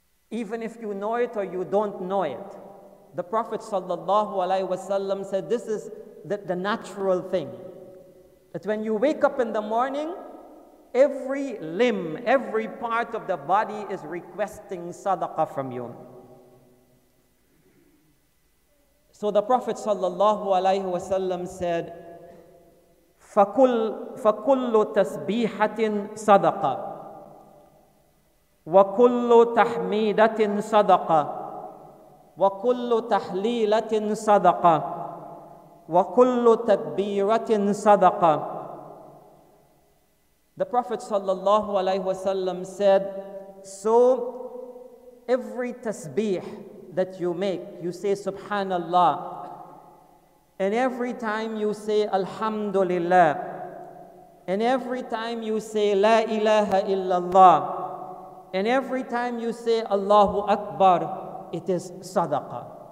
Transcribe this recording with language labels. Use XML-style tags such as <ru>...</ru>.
<en>Even if you know it or you don't know it, the Prophet sallallahu alaihi wasallam said, this is the natural thing. That when you wake up in the morning, every limb, every part of the body is requesting sadaqah from you. So the Prophet sallallahu alaihi wasallam said,</en> <ar>فَكُلُّ تَسْبِيحَةٍ صَدَقَةٍ وَكُلُّ تَحْمِيدَةٍ صَدَقَةٍ وَكُلُّ تَحْلِيلَةٍ صَدَقَةٍ وَكُلُّ تَكْبِيرَةٍ صَدَقَةٍ.</ar> <en>The Prophet sallallahu alaihi wasallam said, so every tasbih that you make, you say subhanallah, and every time you say alhamdulillah, and every time you say la ilaha illallah, and every time you say Allahu Akbar, it is sadaqah.</en>